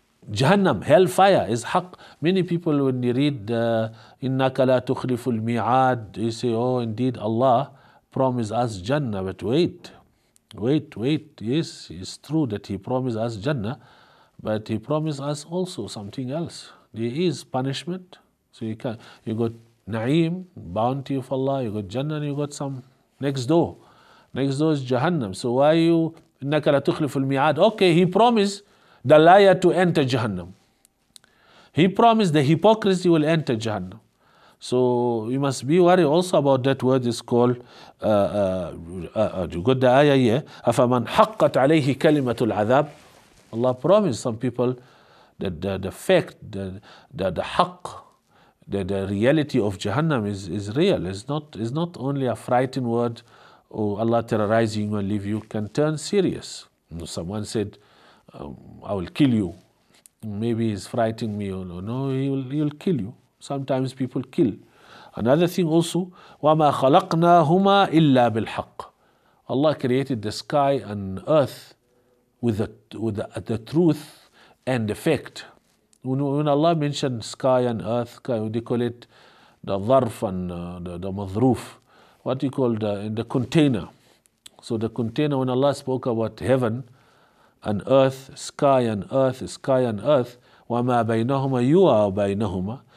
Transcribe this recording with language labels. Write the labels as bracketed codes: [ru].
[en] Jahannam, hellfire is haqq. Many people when they read [ar] إِنَّكَ لَا تُخْلِفُ الْمِعَادِ, [en] they say, oh indeed Allah promised us Jannah, but wait, wait, wait. Yes, it's true that he promised us Jannah, but he promised us also something else. There is punishment. So you can, you got Naeem, bounty of Allah, you got Jannah, and you got some next door. Next door is Jahannam. So why you, [ar] إِنَّكَ لَا تُخْلِفُ الْمِعَادِ. Okay, he promised the liar to enter Jahannam. He promised the hypocrisy will enter Jahannam. [en] So we must be worried also about that word is called, you got the ayah here, [ar] أَفَمَنْ حَقَّتْ عَلَيْهِ كَلِمَةُ الْعَذَابِ. [en] Allah promised some people that the fact, the haqq, the reality of Jahannam is real. It's not only a frightened word, oh, Allah terrorizing will leave you, can turn serious. Someone said, I will kill you. Maybe he's frightening me. Or no, he will kill you. Sometimes people kill. Another thing also, [ar] وَمَا خَلَقْنَاهُمَا إِلَّا بِالْحَقِّ. [en] Allah created the sky and earth with the truth and the fact. When Allah mentioned sky and earth, they call it the dharf and the madhruf. What do you call the container? So the container, when Allah spoke about heaven and earth, sky and earth, sky and earth, [ar] وَمَا بَيْنَهُمَا يُوَا بَيْنَهُمَا.